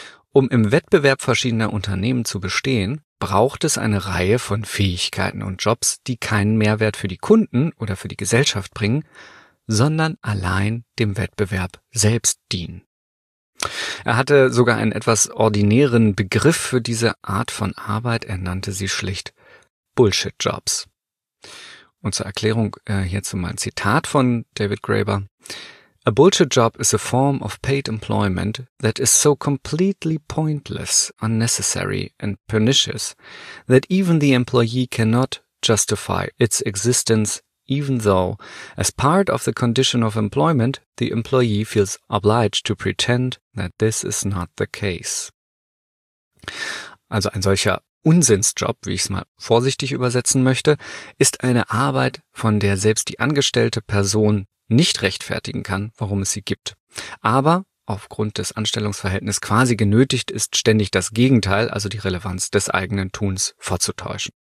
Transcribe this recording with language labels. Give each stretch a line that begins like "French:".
German: Um im Wettbewerb verschiedener Unternehmen zu bestehen, braucht es eine Reihe von Fähigkeiten und Jobs, die keinen Mehrwert für die Kunden oder für die Gesellschaft bringen, sondern allein dem Wettbewerb selbst dienen. Er hatte sogar einen etwas ordinären Begriff für diese Art von Arbeit, er nannte sie schlicht Bullshit-Jobs. Und zur Erklärung hierzu mal ein Zitat von David Graeber.
English: A bullshit job is a form of paid employment that is so completely pointless, unnecessary and pernicious that even the employee cannot justify its existence, even though, as part of the condition of employment, the employee feels obliged to pretend that this is not the case.
German: Also ein solcher Unsinnsjob, wie ich es mal vorsichtig übersetzen möchte, ist eine Arbeit, von der selbst die angestellte Person nicht rechtfertigen kann, warum es sie gibt. Aber aufgrund des Anstellungsverhältnisses quasi genötigt ist, ständig das Gegenteil, also die Relevanz des eigenen Tuns, vorzutäuschen.